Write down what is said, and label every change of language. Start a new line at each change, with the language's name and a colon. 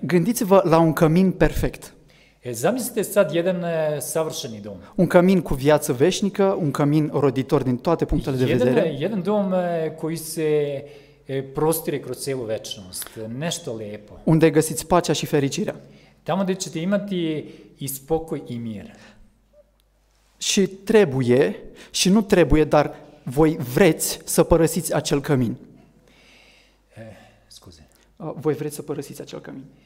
Romanian: Gândiți-vă la un cămin perfect.
Serbian: Zamislite sad jedan savršeni dom.
Romanian: Un cămin cu viață veșnică, un cămin roditor din toate punctele de vedere.
Serbian: Jedan dom koji se prostire kroz celu večnost, nešto lepo.
Romanian: Unde găsiți pacea și fericirea.
Serbian: Tamo gde ćete imati i spokoj i mir.
Romanian: Și trebuie, și nu trebuie, dar voi vreți să părăsiți acel cămin. Scuze. Voi vreți să părăsiți acel cămin.